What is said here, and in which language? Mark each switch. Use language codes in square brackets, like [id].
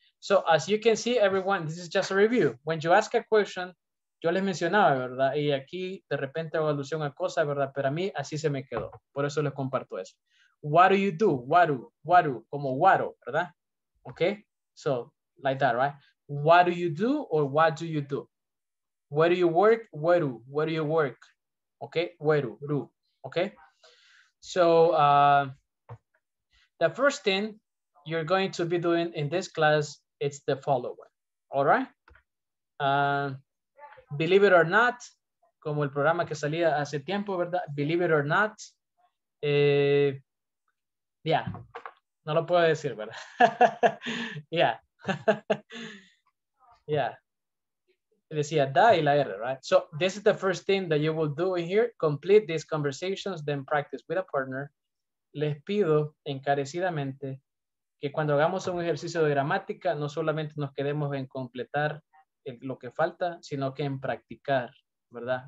[en] So as you can see, everyone, this is just a review. When you ask a question, [es] yo les mencionaba, ¿verdad? Y aquí de repente hago alusión a cosas, ¿verdad? Pero a mí así se me quedó. Por eso les comparto eso. [en] What do you do? [es] Waru, como guaro, ¿verdad? Okay. [en] So like that, right? What do you do or what do you do? Where do you work? Waru. Where do you work? Okay. Waru, ru. Okay. So, the first thing you're going to be doing in this class, it's the following, all right? Believe it or not, [es] como el programa que salía hace tiempo, ¿verdad? [en] Believe it or not. Yeah. [es] No lo puedo decir, ¿verdad? [en] Yeah. [es] Yeah. Decía da y la R, right? [en] So this is the first thing that you will do in here. Complete these conversations, then practice with a partner. [es] Les pido encarecidamente que cuando hagamos un ejercicio de gramática, no solamente nos quedemos en completar lo que falta, sino que en practicar, ¿verdad?